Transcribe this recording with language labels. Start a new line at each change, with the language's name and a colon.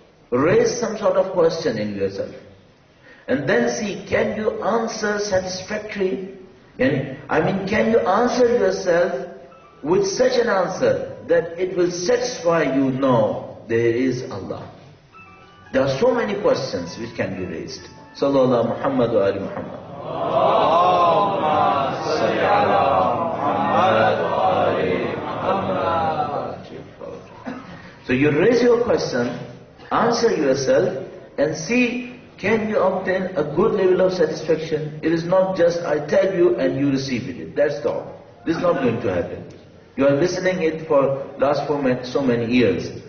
English: Raise some sort of question in yourself. And then see, can you answer satisfactorily? Can you answer yourself with such an answer that it will satisfy you? No, there is Allah. There are so many questions which can be raised.
Arabic: صلى الله محمد وآل محمد. اللهم صل على محمد وآل محمد.
English: So you raise your question, answer yourself, and see can you obtain a good level of satisfaction. It is not just I tell you and you receive it. That's all. This is not going to happen. You are listening it for last for so many years.